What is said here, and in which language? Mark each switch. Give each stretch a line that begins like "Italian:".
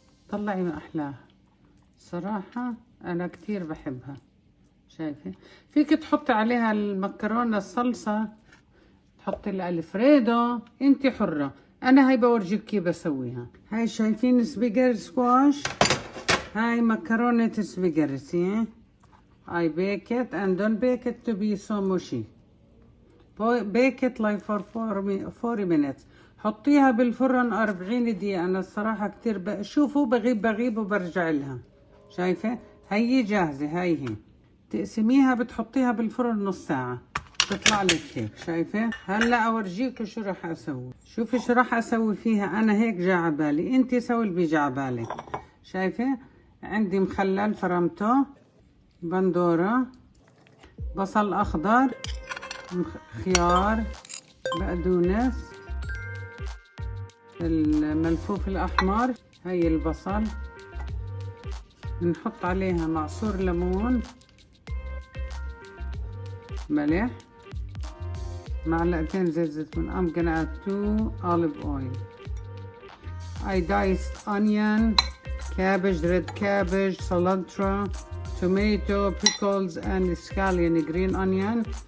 Arabic: طلعي ما أحلاها صراحة، أنا كتير بحبها، شايفة؟ فيك تحطي عليها المكرونة الصلصة، تحطي الألفريدو، أنت حرة. أنا هاي بورجيك كيف بسويها. هاي شايفين سبيجر سكواش؟ هاي مكرونة سبيجرسي.
English: I bake it and don't bake it to be so mushy. Bake it like for 40 minutes.
Arabic: حطيها بالفرن 40 دقيقة. أنا الصراحة كتير بشوفه بغيب وبرجع لها. شايفة؟ هي جاهزة، هاي هي. تقسميها بتحطيها بالفرن نص ساعة. بتطلع لك هيك، شايفة؟ هلا أورجيكم شو راح أسوي. شوفي شو راح أسوي فيها. أنا هيك جا على بالي، أنتي سوي اللي بيجي على بالك. شايفة؟ عندي مخلل فرمته. بندورة، بصل أخضر، خيار، بقدونس، الملفوف الأحمر، هاي البصل، نحط عليها معصور ليمون، ملح، معلقتين زيت زيتون.
English: I'm gonna add two olive oil. I diced onion, cabbage, red cabbage, cilantro. Tomato, pickles, and scallion, green onion.